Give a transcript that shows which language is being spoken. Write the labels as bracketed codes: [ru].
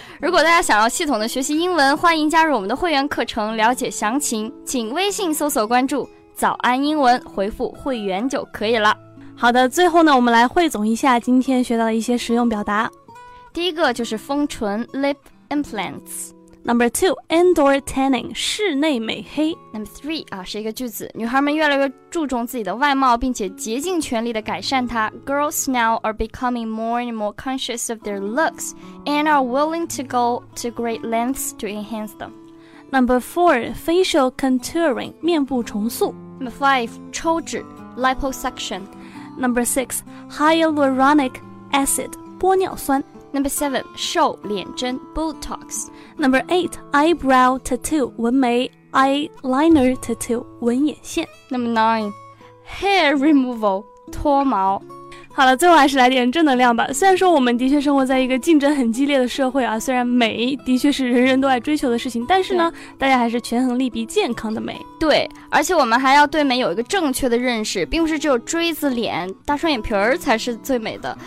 [zh] 如果大家想要系统的学习英文，欢迎加入我们的会员课程，了解详情请微信搜索关注早安英文，回复会员就可以了。好的，最后呢，我们来汇总一下今天学到的一些实用表达。第一个就是封唇 lip implants。 [en] Number two, indoor tanning, 室内美黑。 Number three, [zh] 是一个句子，女孩们越来越注重自己的外貌，并且竭尽全力地改善它。 [en] Girls now are becoming more and more conscious of their looks and are willing to go to great lengths to enhance them. Number four, facial contouring, 面部重塑。 Number five, 抽脂 liposuction. Number six, hyaluronic acid, 玻尿酸。 Number seven, 瘦脸针 Botox. Number eight, eyebrow tattoo, 纹眉 eyeliner tattoo, 纹眼线。 Number nine, hair removal, 脱毛。 [zh] 好了，最后还是来点正能量吧。虽然说我们的确生活在一个竞争很激烈的社会啊，虽然美的确是人人都爱追求的事情，但是呢，大家还是权衡利弊，健康的美。对，而且我们还要对美有一个正确的认识，并不是只有锥子脸、大双眼皮儿才是最美的。